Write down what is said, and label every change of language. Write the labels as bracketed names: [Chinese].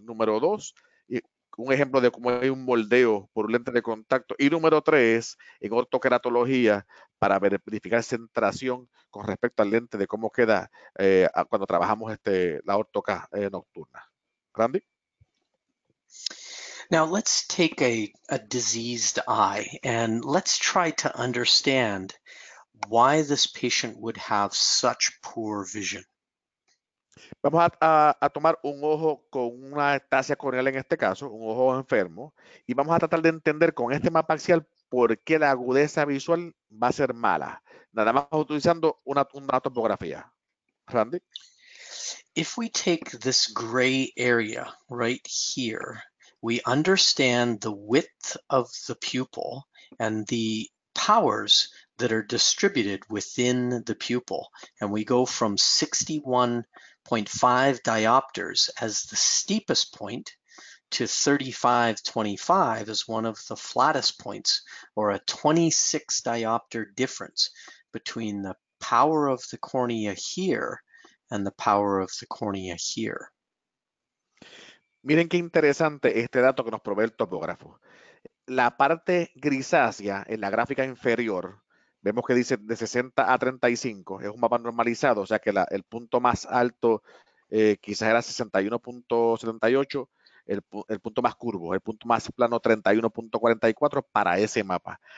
[Spanish] Número dos, un ejemplo de cómo hay un moldeo por un lente de contacto. Y número tres, en ortokeratología, para verificar centración con respecto al lente de cómo queda cuando trabajamos la ortoca nocturna. Randy. [English] Now let's take a diseased eye and let's try to understand why this patient would have such poor vision. [Spanish] Vamos a tomar un ojo con una ectasia corneal en este caso, un ojo enfermo, y vamos a tratar de entender con este mapa axial por qué la agudeza visual va a ser mala, nada más utilizando una topografía. Randy. [English] If we take this gray area right here, we understand the width of the pupil and the powers that are distributed within the pupil. And we go from 61.5 diopters as the steepest point to 35.25 as one of the flattest points, or a 26 diopter difference between the power of the cornea here and the power of the cornea here. [Spanish] Miren qué interesante este dato que nos provee el topógrafo. La parte grisácea en la gráfica inferior, vemos que dice de 60 a 35, es un mapa normalizado, o sea que el punto más alto quizás era 61.78, el punto más curvo, el punto más plano 31.44 para ese mapa.